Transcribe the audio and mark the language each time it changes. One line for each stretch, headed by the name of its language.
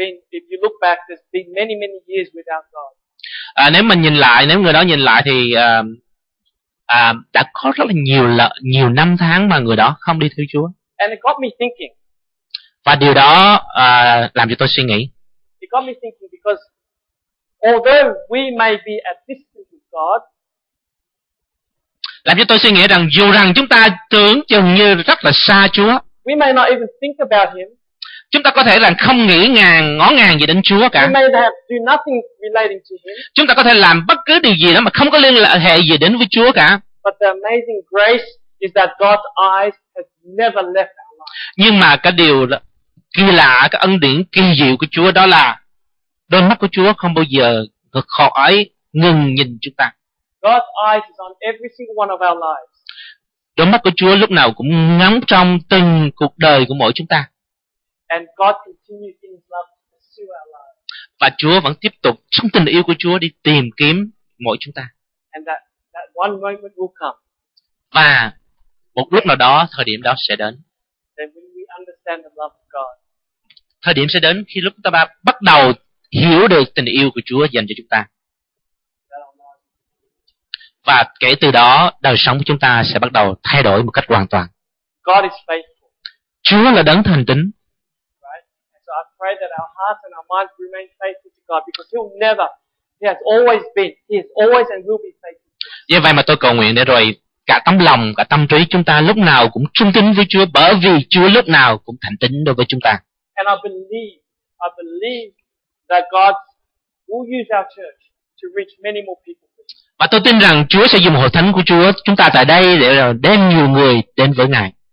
English: If you look back, there's been many, many years without God.
Vietnamese: Nếu mình nhìn lại, nếu người đó nhìn lại thì đã có rất là nhiều năm tháng mà người đó không đi theo Chúa.
English: And it got me thinking.
Vietnamese: Và điều đó làm cho tôi suy nghĩ.
English: It got me thinking because although we may be at distance with God,
Vietnamese: làm cho tôi suy nghĩ rằng dù rằng chúng ta tưởng chừng như rất là xa Chúa,
English: we may not even think about him.
Vietnamese: Chúng ta có thể là không nghĩ ngàng, ngó ngàng gì đến Chúa cả.
English: We may have do nothing relating to him.
Vietnamese: Chúng ta có thể làm bất cứ điều gì đó mà không có liên hệ gì đến với Chúa cả.
English: But the amazing grace is that God's eyes has never left our lives.
Vietnamese: Nhưng mà cái điều kỳ lạ, cái ân điển kỳ diệu của Chúa đó là đôi mắt của Chúa không bao giờ khỏi ngừng nhìn chúng ta.
English: God's eyes is on every single one of our lives.
Vietnamese: Đôi mắt của Chúa lúc nào cũng ngắm trong từng cuộc đời của mỗi chúng ta.
English: And God continues in his love to pursue our lives.
Vietnamese: Và Chúa vẫn tiếp tục trong tình yêu của Chúa đi tìm kiếm mỗi chúng ta.
English: And that one moment will come.
Vietnamese: Và một lúc nào đó, thời điểm đó sẽ đến.
English: Then when we understand the love of God.
Vietnamese: Thời điểm sẽ đến khi lúc chúng ta bắt đầu hiểu được tình yêu của Chúa dành cho chúng ta. Và kể từ đó, đời sống của chúng ta sẽ bắt đầu thay đổi một cách hoàn toàn.
English: God is faithful.
Vietnamese: Chúa là đấng thành tín.
English: Pray that our hearts and our minds remain faithful to God, because He'll never, He has always been, He is always and will be faithful.
Vietnamese: Vì vậy mà tôi cầu nguyện để rồi cả tấm lòng, cả tâm trí chúng ta lúc nào cũng trung tín với Chúa, bởi vì Chúa lúc nào cũng thành tín đối với chúng ta.
English: And I believe that God will use our church to reach many more people.
Vietnamese: Và tôi tin rằng Chúa sẽ dùng hội thánh của Chúa chúng ta tại đây để đem nhiều người đến với Ngài.